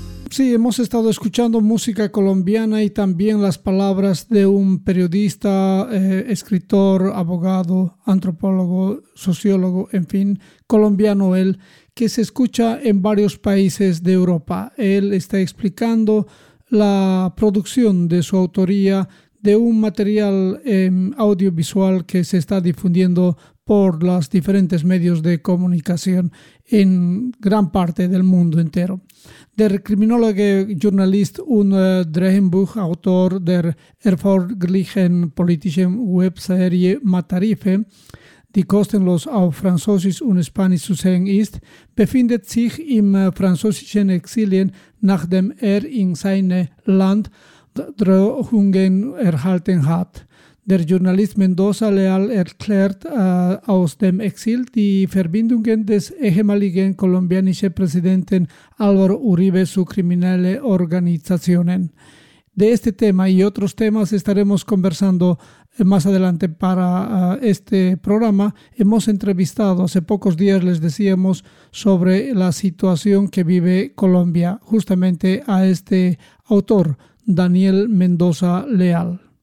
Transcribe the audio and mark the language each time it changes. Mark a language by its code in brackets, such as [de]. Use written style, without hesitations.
[es] Sí, hemos estado escuchando música colombiana y también las palabras de un periodista, escritor, abogado, antropólogo, sociólogo, en fin, colombiano él, que se escucha en varios países de Europa. Él está explicando la producción de su autoría de un material audiovisual que se está difundiendo por los diferentes medios de comunicación en gran parte del mundo entero. [de] Der Kriminologe Journalist und Drehbuch Autor der erfolgreichen politischen Webserie Matarife, die kostenlos auf Französisch und Spanisch zu sehen ist, befindet sich im französischen Exilien, nachdem er in seinem Land Drohungen erhalten hat. Der Journalist Mendoza Leal erklärt aus dem Exil die Verbindungen des ehemaligen kolumbianischen Präsidenten Álvaro Uribe zu kriminellen Organisationen. [es] De este tema y otros temas estaremos conversando más adelante para este programa. Hemos entrevistado hace pocos días, les decíamos, sobre la situación que vive Colombia, justamente a este autor, Daniel Mendoza Leal.